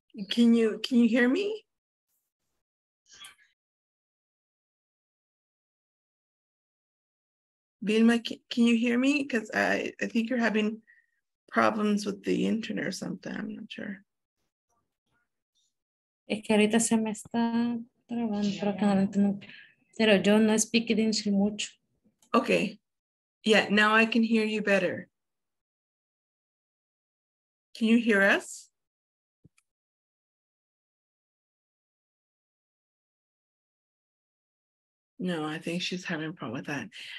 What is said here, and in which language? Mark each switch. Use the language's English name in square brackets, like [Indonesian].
[English] Can you hear me? Vilma, can you hear me? Because I think you're having problems with the internet or something. I'm not sure. [Spanish] Es que ahorita se me está trabando, pero acá no tengo. Pero yo no [English] speak English [Spanish] mucho. [English] Okay, yeah, now I can hear you better. Can you hear us? No, I think she's having a problem with that.